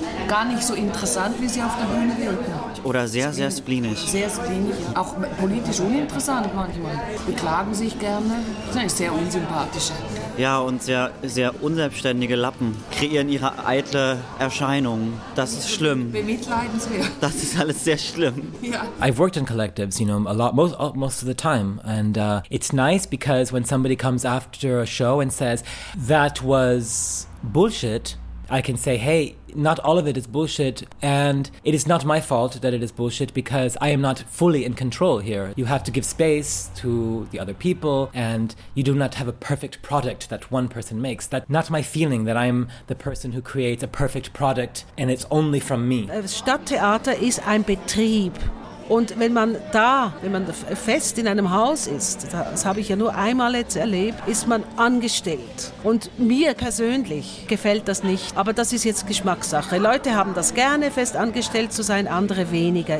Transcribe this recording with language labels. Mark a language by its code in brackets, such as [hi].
[de] Gar nicht so interessant, wie sie auf der Bühne wirken. Oder sehr, sehr spleenig. Sehr spleenig. Auch politisch uninteressant manchmal. Beklagen sich gerne. Sind sehr unsympathische. Ja, und sehr, sehr unselbstständige Lappen kreieren ihre eitle Erscheinung. Das ist schlimm. Bemitleidenswert. Das ist alles sehr schlimm. Ja. [en] I've worked in collectives, you know, a lot, most of the time. And it's nice because when somebody comes after a show and says, that was bullshit, I can say, hey, not all of it is bullshit, and it is not my fault that it is bullshit, because I am not fully in control here. You have to give space to the other people, and you do not have a perfect product that one person makes. That's not my feeling, that I am the person who creates a perfect product, and it's only from me. [de] Stadttheater ist ein Betrieb. Und wenn man da, wenn man fest in einem Haus ist, das habe ich ja nur einmal jetzt erlebt, ist man angestellt. Und mir persönlich gefällt das nicht. Aber das ist jetzt Geschmackssache. Leute haben das gerne, fest angestellt zu sein, andere weniger.